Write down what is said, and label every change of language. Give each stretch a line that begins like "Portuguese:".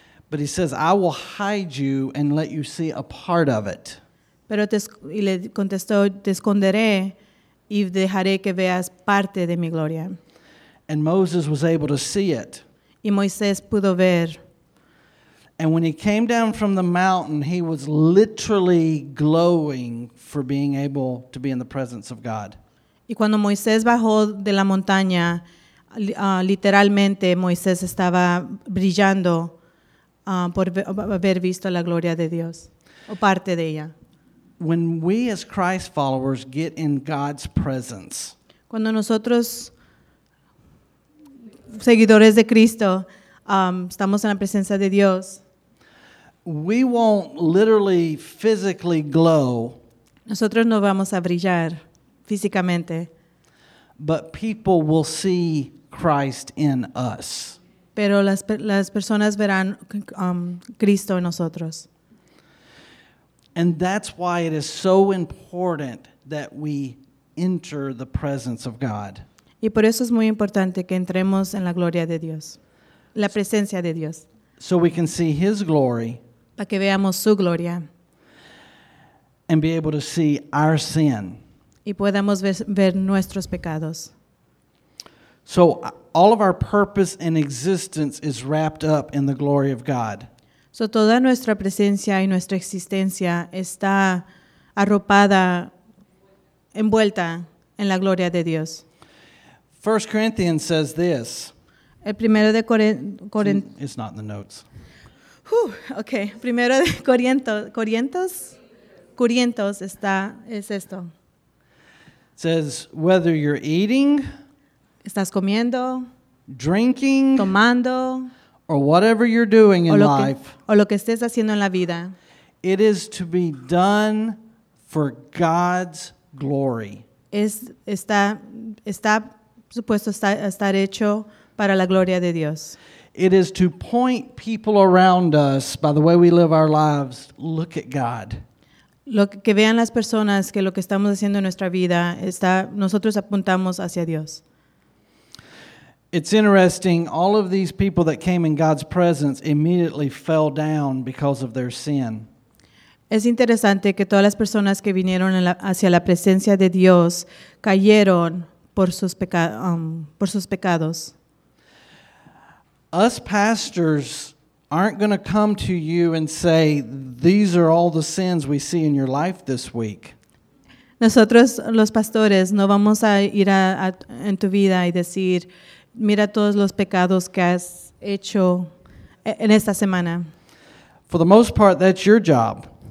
English: But he says, I will hide you and let you see a part of it.
Spanish: Y le contestó, te esconderé. Y dejaré que veas parte de mi gloria.
English: And Moses was able to see it.
Spanish: Y Moisés pudo ver.
English: And when he came down from the mountain, he was literally glowing for being able to be in the presence of God.
Spanish: Y cuando Moisés bajó de la montaña, literalmente Moisés estaba brillando por haber visto la gloria de Dios, o parte de ella.
English: When we as Christ followers get in God's presence,
Spanish: cuando nosotros seguidores de Cristo estamos en la presencia de Dios,
English: we won't literally physically glow.
Spanish: Nosotros no vamos a brillar físicamente.
English: But people will see Christ in us.
Spanish: Pero las personas verán Cristo en nosotros.
English: And that's why it is so important that we enter the presence of God.
Spanish: Y por eso es muy importante que entremos en la gloria de Dios, la presencia de Dios.
English: So we can see His glory.
Spanish: Para que veamos su gloria.
English: And be able to see our sin.
Spanish: Y podamos ver nuestros pecados.
English: So all of our purpose and existence is wrapped up in the glory of God.
Spanish: So toda nuestra presencia y nuestra existencia está arropada, envuelta en la gloria de Dios.
English: 1 Corinthians says this.
Spanish: El primero de
English: it's not in the notes.
Spanish: Whew, okay. Primero de Corintios. Corintios está, es esto.
English: It says, whether you're eating,
Spanish: estás comiendo,
English: drinking,
Spanish: tomando,
English: or whatever you're doing in life,
Spanish: o lo que estés haciendo en la vida,
English: it is to be done for God's glory.
Spanish: Está supuesto estar hecho para la gloria de Dios.
English: It is to point people around us by the way we live our lives, look at God.
Spanish: Lo que vean las personas que lo que estamos haciendo en nuestra vida está, nosotros apuntamos hacia Dios.
English: It's interesting, all of these people that came in God's presence immediately fell down because of their sin.
Spanish: Es interesante que todas las personas que vinieron hacia la presencia de Dios cayeron por sus pecados.
English: Us pastors aren't going to come to you and say, these are all the sins we see in your life this week.
Spanish: Nosotros, los pastores, no vamos a ir en tu vida y decir, mira todos los pecados que has hecho en esta semana.
English: For the most part, that's your job.